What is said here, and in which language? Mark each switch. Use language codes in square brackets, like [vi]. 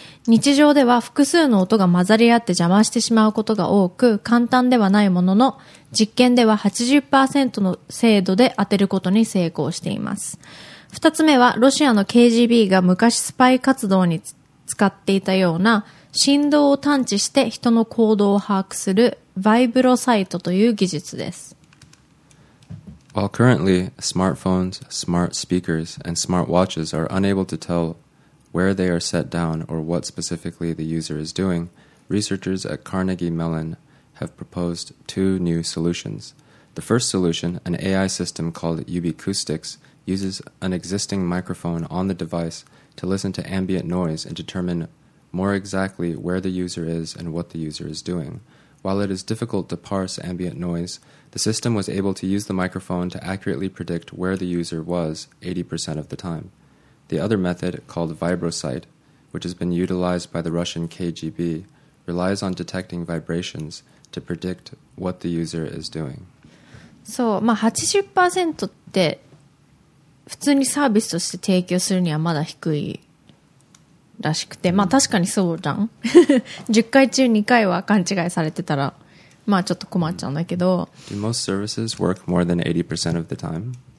[ja] 日常では複数の音が混ざり合って邪魔してしまうことが多く、簡単ではないものの、実験では 80% の精度で当てることに成功しています。二つ目は、ロシアの KGB が昔スパイ活動に使っていたような、振動を探知して人の行動を把握するバイブロサイトという技術です。 [en] While currently, smartphones, smart speakers, and smart watches are unable to tell where they are set down or what specifically the user is doing, researchers at Carnegie Mellon have proposed two new solutions. The first solution, an AI system called Ubiacoustics, uses an existing microphone on the device to listen to ambient noise and determine more exactly where the user is and what the user is doing. While it is difficult to parse ambient noise, the system was able to use the microphone to accurately predict where the user was 80% of the time. The other method, called VibroSight, which has been utilized by the Russian KGB, relies on detecting vibrations to predict what the user is doing. [ja] So, まあ 80% って普通にサービスとして提供するにはまだ低いらしくて、まあ確かにそうじゃん。 10回中2回は勘違いされてたら、まあちょっと困っちゃうんだけど。 [en] Do most services work more than 80% of the time?